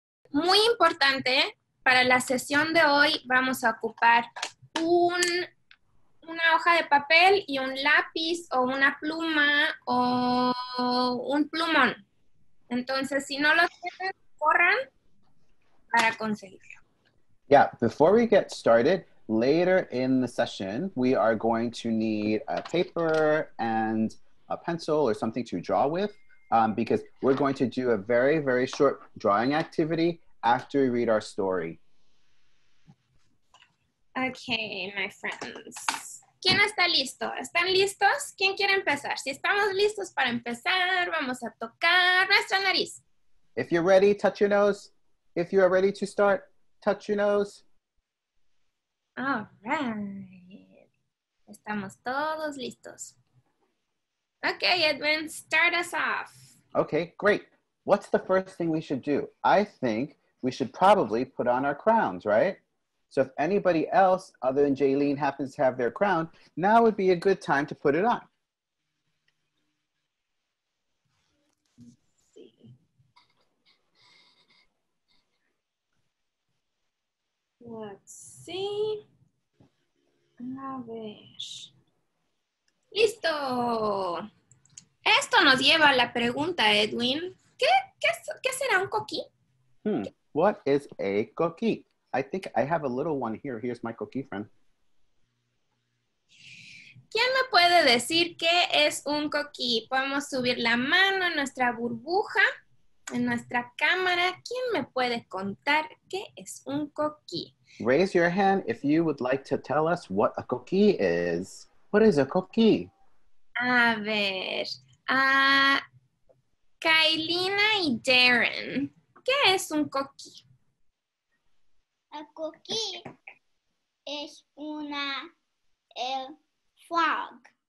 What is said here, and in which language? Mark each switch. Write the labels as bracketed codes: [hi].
[es] Muy importante, para la sesión de hoy vamos a ocupar una hoja de papel y un lápiz o una pluma o un plumón. Entonces, si no lo tienen, corran para conseguirlo. [en] Yeah, before we get started, later in the session, we are going to need a paper and a pencil or something to draw with. Because we're going to do a very, very short drawing activity after we read our story. Okay, my friends. [es] ¿Quién está listo? ¿Están listos? ¿Quién quiere empezar? Si estamos listos para empezar, vamos a tocar nuestra nariz. [en] If you're ready, touch your nose. If you are ready to start, touch your nose. All right. [es] Estamos todos listos. [en] Okay, Edwin, start us off. Okay, great. What's the first thing we should do? I think we should probably put on our crowns, right? So if anybody else other than Jaylene happens to have their crown, now would be a good time to put it on. Let's see. Let's see. [es] A ver. Listo. Esto nos lleva a la pregunta, Edwin. ¿Qué será un coquí? [en] What is a coquí? I think I have a little one here. Here's my coquí friend. [es] ¿Quién me puede decir qué es un coquí? Podemos subir la mano en nuestra burbuja, en nuestra cámara. ¿Quién me puede contar qué es un coquí? [en] Raise your hand if you would like to tell us what a coquí is. What is a coquí? [es] A ver. Kailina y Darren, ¿qué es un coquí? A coquí es una frog.